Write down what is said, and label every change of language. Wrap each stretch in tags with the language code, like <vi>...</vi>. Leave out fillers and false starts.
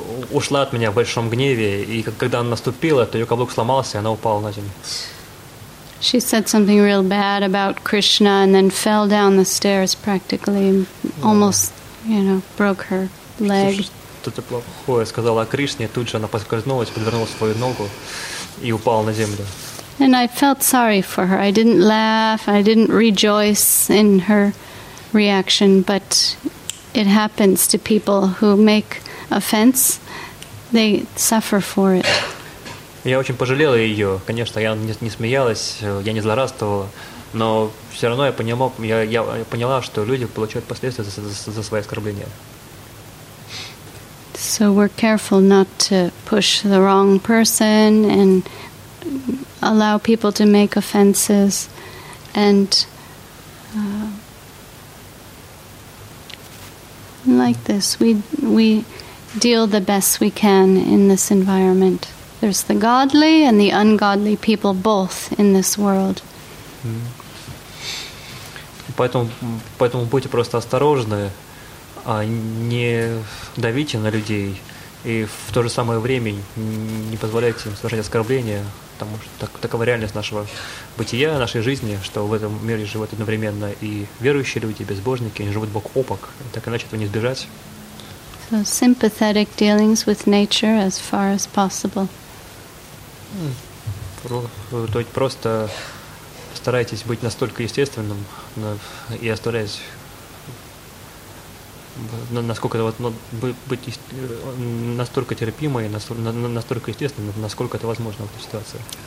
<ru>Ушла от меня в большом гневе, и когда она наступила, то ее каблук сломался, и она упала на землю.</ru> <en>She said something real bad about Krishna and then fell down the stairs practically, almost, you know, broke her leg.</en> <ru>Что-то плохое сказала о Кришне, тут же она поскользнулась, подвернула свою ногу и упала на землю.</ru> <en>And I felt sorry for her. I didn't laugh, I didn't rejoice in her reaction, but it happens to people who make offense, they suffer for it.</en> <ru>Я очень пожалела ее, конечно, я не смеялась, я не злорадствовала, но все равно я поняла, что люди получают последствия за свои оскорбления.</ru> <en>So we're careful not to push the wrong person and allow people to make offenses and like this. We deal the best we can in this environment. There's the godly and the ungodly people both in this world.</en> <ru>Поэтому будьте просто осторожны, а не давите на людей и в то же самое время не позволяйте им совершать оскорбления, потому что такова реальность нашего бытия, нашей жизни, что в этом мире живут одновременно и верующие люди, и безбожники, они живут бок о бок, и так иначе этого не избежать.</ru> <en>So sympathetic dealings with nature as far as possible.</en> <ru>То есть просто старайтесь быть настолько естественным и оставлять насколько это вот быть настолько терпимой, настолько естественной, насколько это возможно в этой ситуации.</ru>